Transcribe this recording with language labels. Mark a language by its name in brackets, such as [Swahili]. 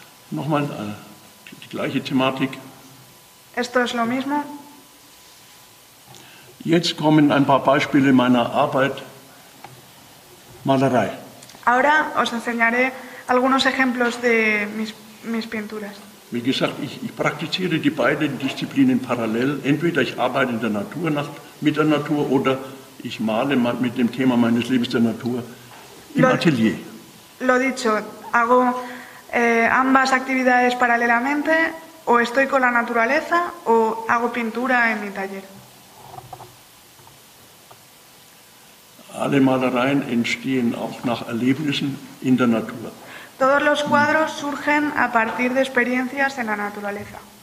[German] Nochmal die gleiche Thematik. [Spanish] Esto es lo mismo. [German] Jetzt kommen ein paar Beispiele meiner Arbeit, Malerei. [Spanish] Ahora os enseñaré algunos ejemplos de mis pinturas. [German] Wie gesagt, ich praktiziere die beiden Disziplinen parallel. Entweder ich arbeite in der Natur, mit der Natur, oder ich male mit dem Thema meines Lebens der Natur im Atelier. [Spanish] Lo dicho, hago ambas actividades paralelamente, o estoy con la naturaleza, o hago pintura en mi taller. [German] Alle Malereien entstehen auch nach Erlebnissen in der Natur. [Spanish] Todos los cuadros surgen a partir de experiencias en la naturaleza.